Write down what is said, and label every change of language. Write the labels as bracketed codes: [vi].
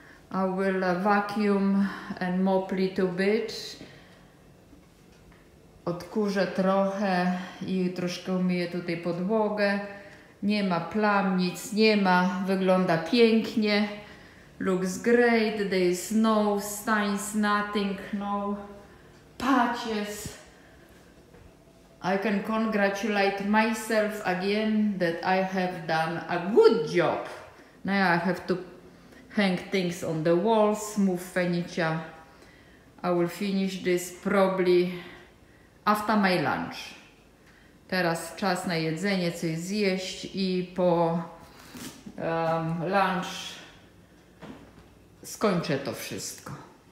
[en] I will vacuum and mop little bit. [pl] Odkurzę trochę i troszkę umyję tutaj podłogę. Nie ma plam, nic nie ma. Wygląda pięknie. [en] Looks great. There is no stains, nothing, no patches. I can congratulate myself again that I have done a good job. Now I have to hang things on the walls, move furniture. I will finish this probably after my lunch. [pl] Teraz czas na jedzenie, coś zjeść i po lunch skończę to wszystko.